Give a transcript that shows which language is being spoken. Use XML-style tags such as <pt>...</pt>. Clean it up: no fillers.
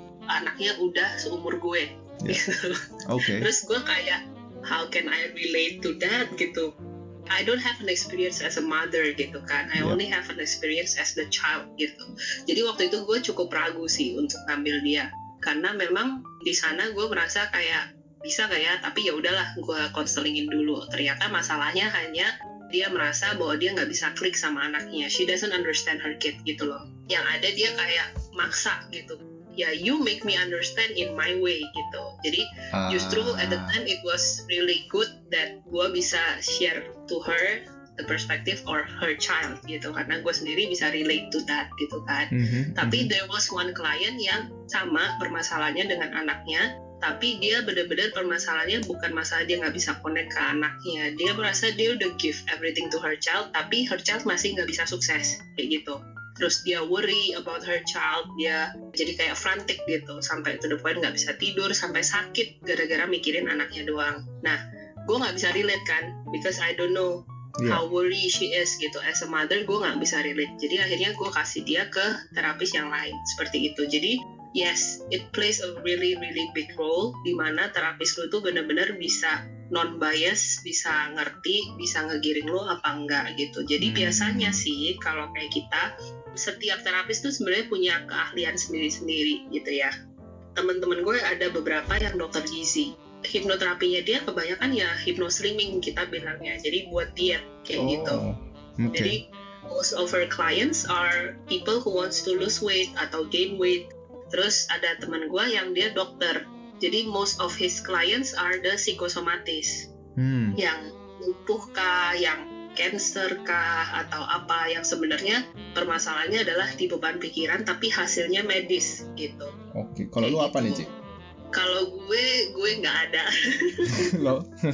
<id>Anaknya udah seumur gue.</id> <en>Yeah. Okay. Terus gue kayak, how can I relate to that gitu? I don't have an experience as a mother gitu kan. I only have an experience as the child gitu.</en> <id>Jadi waktu itu gue cukup ragu sih untuk ngambil dia, karena memang di sana gue merasa kayak bisa gak ya? Tapi ya udahlah, gue konselingin dulu. Ternyata masalahnya hanya dia merasa bahwa dia nggak bisa klik sama anaknya. She doesn't understand her kid gitu loh. Yang ada dia kayak maksa gitu.</id> <en>yeah, you make me understand in my way gitu. Jadi justru at the time it was really good that gue bisa share to her the perspective or her child gitu, karena gue sendiri bisa relate to that gitu kan.</en> <id>Tapi there was one client yang sama permasalahannya dengan anaknya, tapi dia benar-benar permasalahannya bukan masalah dia nggak bisa connect ke anaknya, dia merasa dia udah give everything to her child tapi her child masih nggak bisa sukses kayak gitu. Terus dia worry about her child, dia jadi kayak frantic gitu, sampai to the point nggak bisa tidur, sampai sakit gara-gara mikirin anaknya doang.</id> <en>Nah, gue nggak bisa relate kan, because I don't know how worried she is gitu. As a mother, gue nggak bisa relate.</en> <id>Jadi akhirnya gue kasih dia ke terapis yang lain, seperti itu. Jadi, yes, it plays a really, really big role, di mana terapis lu tuh benar-benar bisa non-bias, bisa ngerti, bisa ngegiring lu apa enggak gitu. Jadi biasanya sih, kalau kayak kita, setiap terapis tuh sebenarnya punya keahlian sendiri-sendiri gitu ya. Temen-temen gue ada beberapa yang dokter gizi. Hipnoterapinya dia kebanyakan ya hipnoslimming kita bilangnya. Jadi buat diet kayak gitu. Okay.</id> <en>Jadi most of our clients are people who wants to lose weight atau gain weight.</en> <id>Terus ada teman gue yang dia dokter.</id> <en>Jadi most of his clients are the psikosomatis.</en> <id>Yang lumpuh kah, yang cancer kah, atau apa, yang sebenarnya permasalahannya adalah di beban pikiran tapi hasilnya medis gitu. Oke, okay. Kalau lu apa nih, Cik? Kalau gue nggak ada. Lo?</id>